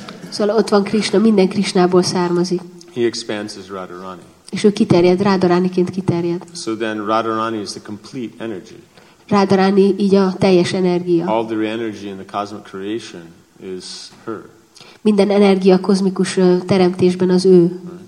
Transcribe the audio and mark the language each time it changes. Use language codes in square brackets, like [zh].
[hu] Szóval ott van Krishna, minden Krishnából származik. [en] He expands as Radharani. [hu] És ő kiterjed, Radharaniként kiterjed. [en] So then Radharani is the complete energy. [hu] Radharani így a teljes energia. [en] All the energy in the cosmic creation is her. [hu] Minden energia kozmikus teremtésben az ő.